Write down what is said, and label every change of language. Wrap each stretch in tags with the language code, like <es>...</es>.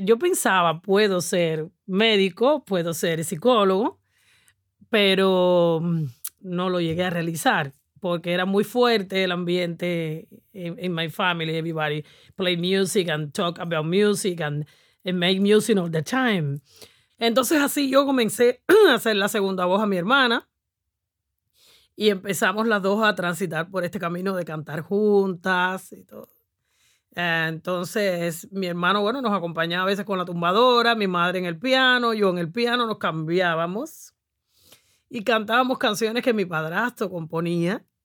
<es>Yo pensaba, puedo ser médico, puedo ser psicólogo, pero no lo llegué a realizar porque era muy fuerte el ambiente</es> <en>in my family. Everybody play music and talk about music and make music all the time.</en> <es>Entonces así yo comencé a hacer la segunda voz a mi hermana y empezamos las dos a transitar por este camino de cantar juntas y todo. Entonces mi hermano, bueno, nos acompañaba a veces con la tumbadora, mi madre en el piano, yo en el piano, nos cambiábamos y cantábamos canciones que mi padrastro componía.</es>